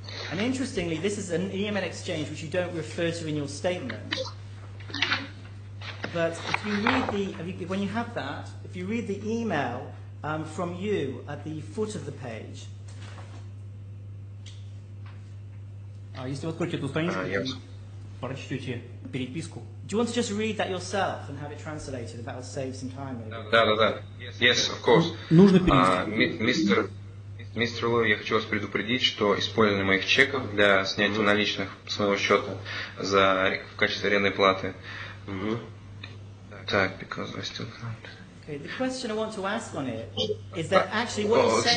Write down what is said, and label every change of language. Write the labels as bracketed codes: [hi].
[en] And interestingly, this is an EMN exchange which you don't refer to in your statement. But if you read the email from you at the foot of the page. [ru] Если вы откроете эту страничку, прочтете переписку. [en] Do you want to just read that yourself and have it translated? That will save some time. [ru] Да. [en] Yes, of course. [ru] Нужно перевести. Мистер Лоу, я хочу вас предупредить, что использование моих чеков для снятия наличных с моего счета за в качестве арендной платы. Так, [en] because I still can't. Okay, the question I want to ask on it is that actually what you're saying.